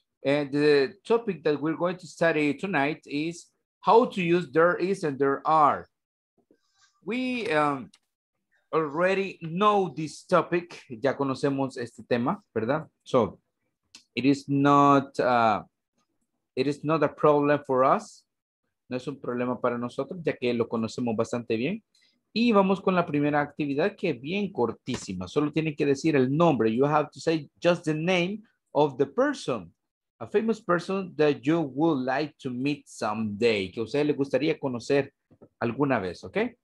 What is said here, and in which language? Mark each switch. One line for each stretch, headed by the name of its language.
English: And the topic that we're going to study tonight is how to use there is and there are. We already know this topic. Ya conocemos este tema, ¿verdad? So it is not a problem for us.
Spanish: No es un problema para nosotros, ya que lo conocemos bastante bien. Y vamos con la primera actividad, que es bien cortísima. Solo tienen que decir el nombre.
English: You have to say just the name of the person. A famous person that you would like to meet someday.
Spanish: Que a ustedes les gustaría conocer alguna vez, okay?